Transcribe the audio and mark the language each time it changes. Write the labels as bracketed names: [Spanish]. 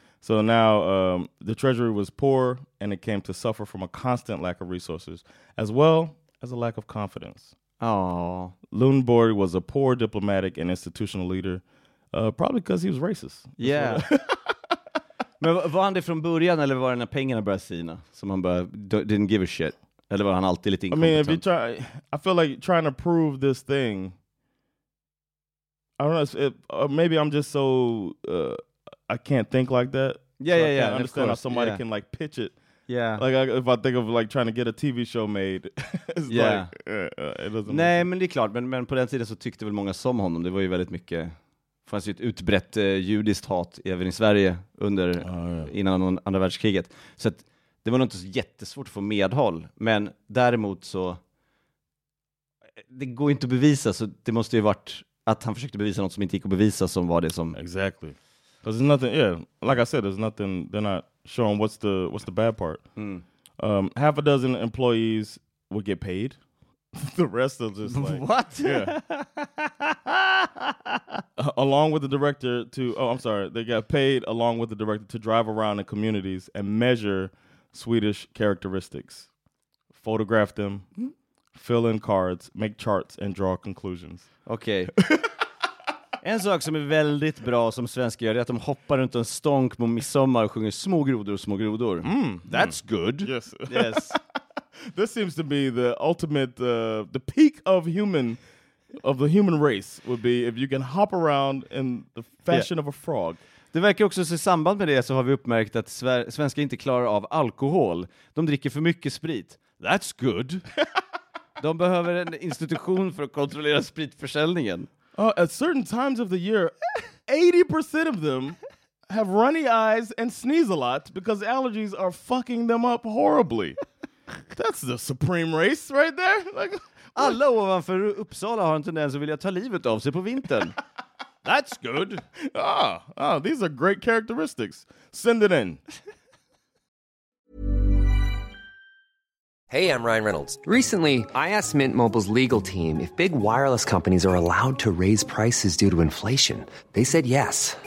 [English] So now the treasury was poor, and it came to suffer from a constant lack of resources, as well as a lack of confidence. Oh. Lundborg was a poor diplomatic and institutional leader, probably because he was racist. Yeah. [Swedish] Men var han det från början, eller var det när pengarna började sina som han bara [English] didn't give a shit, [Swedish] eller var han alltid lite inkompetent? [English] I mean, if you try, I feel like trying to prove this thing. I don't know. Maybe I'm just so I can't think like that. Yeah. I can't understand how somebody can like pitch it. Yeah. Like if I think of like trying to get a TV show made. It's it doesn't [Swedish] Nej, men det är klart, men på den tiden så tyckte väl många som honom. Det var ju väldigt mycket fanns ju ett utbrett judiskt hat även i Sverige under innan andra världskriget. Så att det var nog inte så jättesvårt att få medhåll. Men däremot så, det går ju inte att bevisa, så det måste ju varit att han försökte bevisa något som inte gick att bevisa, som var det som... [English] Exactly. Because there's nothing, yeah, like I said, there's nothing, they're not showing what's the bad part. Mm. Half a dozen employees would get paid. The rest of just like... What? Yeah. along with the director to... Oh, I'm sorry. They got paid along with the director to drive around the communities and measure Swedish characteristics. Photograph them, fill in cards, make charts, and draw conclusions. Okay. [Swedish] En sak som är väldigt bra som svenskar gör är att de hoppar runt en stonk på midsommar och sjunger små grodor och små grodor. Mm, [English] that's good. Yes. Yes. This seems to be the ultimate, the peak of the human race would be if you can hop around in the fashion of a frog. [Swedish] Det verkar också i samband med det så har vi uppmärkt att svenskar inte klarar av alkohol. De dricker för mycket sprit. [English] That's good. [Swedish] De behöver en institution för att kontrollera spritförsäljningen. [English] At certain times of the year, 80% of them have runny eyes and sneeze a lot because allergies are fucking them up horribly. That's the supreme race right there. Like, [Swedish] alla ovanför Uppsala har en tendens att vilja ta livet av sig på vintern. [English] That's good. Ah, these are great characteristics. Send it in. Hey, I'm Ryan Reynolds. Recently, I asked Mint Mobile's legal team if big wireless companies are allowed to raise prices due to inflation. They said yes.